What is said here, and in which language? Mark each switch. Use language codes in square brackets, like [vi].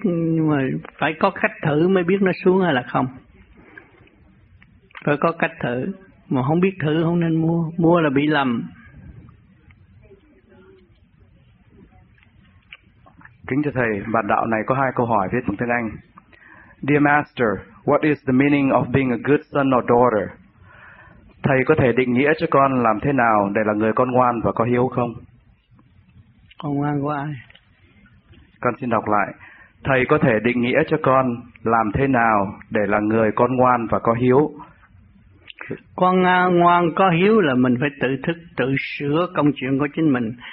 [vi] Nhưng mà phải có cách thử mới biết nó xuống hay là không. Phải có cách thử. Mà không biết thử không nên mua. Mua là bị lầm. Kính thưa Thầy, bản đạo này có hai câu hỏi viết bằng tiếng Anh. [en] Dear Master, what is the meaning of being a good son or daughter? [vi] Thầy có thể định nghĩa cho con làm thế nào để là người con ngoan và có hiếu không? Con ngoan của ai? Con xin đọc lại. Thầy có thể định nghĩa cho con làm thế nào để là người con ngoan và có hiếu? Con ngoan có hiếu là mình phải tự thức, tự sửa công chuyện của chính mình.